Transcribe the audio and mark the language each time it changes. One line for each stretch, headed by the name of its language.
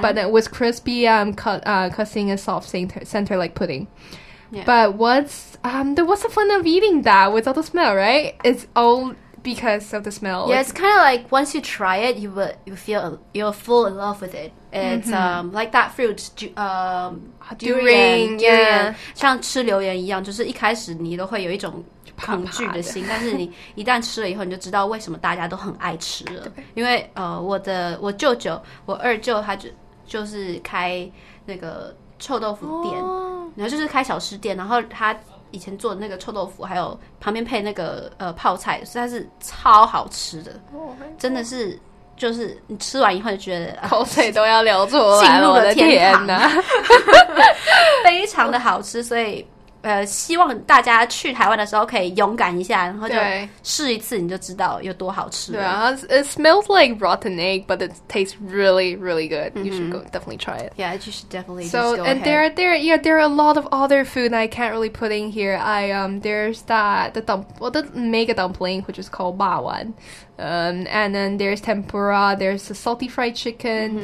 English: but then with crispy cutting a soft center like pudding. Yeah. But what's the fun of eating that without the smell, right? It's all because of the smell. Yeah, it's kind of like once you try it, you'll fall in love with it. It's like that fruit, durian. Yeah.
Chinese: 像吃榴莲一样，就是一开始你都会有一种恐惧的心，怕怕的但是你一旦吃了以后，你就知道为什么大家都很爱吃了。因为我舅舅，我二舅他就是开那个臭豆腐店，然后就是开小吃店，然后他以前做的那个臭豆腐还有旁边配那个泡菜，实在是超好吃的，真的是就是你吃完以后就觉得口水都要流出来了，进入了天堂，非常的好吃。所以希望大家去台湾的时候可以勇敢一下，然后就试一次，你就知道有多好吃了。对啊
English: ，It smells like rotten egg, but it tastes really, really good. You should go definitely try it. Yeah, you should definitely. So and there are a lot of other food that I can't really put in here. There's the mega dumpling, which is called 霸丸, and then there's tempura, there's the salty fried chicken, mm-hmm.